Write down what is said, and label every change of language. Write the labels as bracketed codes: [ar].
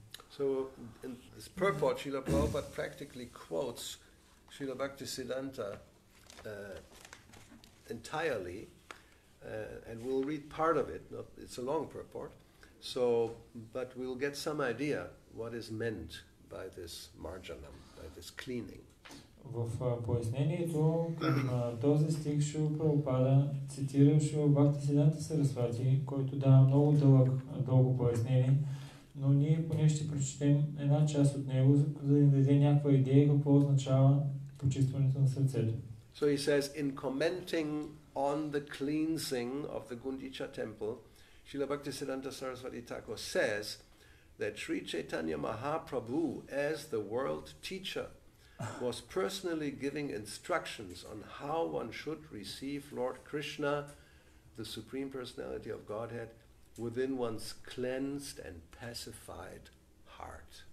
[en] So in this purport, Srila Prabhupada practically quotes Srila Bhaktisiddhanta entirely, and we'll read part of it. It's a long purport, so but we'll get some idea what is meant by this marjanam, by this cleaning. [bg] В пояснението към този стих Шрила Прабхупада цитира Шрила Бхактисиддханта Сарасвати, който дава много дълго пояснение, но ние поне ще прочетем една част от него, за да ни даде някаква идея какво означава почистването на сърцето. [en] So he says, in commenting on the cleansing of the Gundicha temple, Шрила Бхактисиддханта Сарасвати Тхакур says that Sri Chaitanya Mahaprabhu, as the world teacher, was personally giving instructions on how one should receive Lord Krishna, the Supreme Personality of Godhead, within one's cleansed and pacified heart.